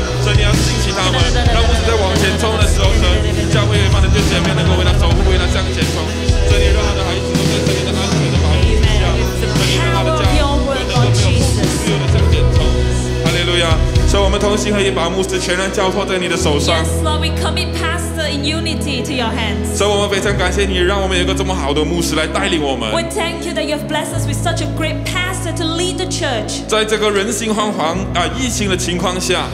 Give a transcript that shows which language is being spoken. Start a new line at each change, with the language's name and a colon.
Chinese: 神，你要兴起他们，让牧师在往前冲的时候，神教会一般的弟兄姐妹能够为他守护，为他向前冲。神，你让他的孩子都在神你的安全的保护之下，神，你让他的家人能够没有后顾之忧的向前冲。哈利路亚！神，我们同心合意把牧师全然交托在你的手上。
English: Yes, Lord, we commit pastor in unity to your hands.
Chinese: 神，我们非常感谢你，让我们有一个这么好的牧师来带领我们。
English: We thank you that you have blessed us with such a great pastor. pastor to lead the church.
Chinese: 在这个人心惶惶啊疫情的情况下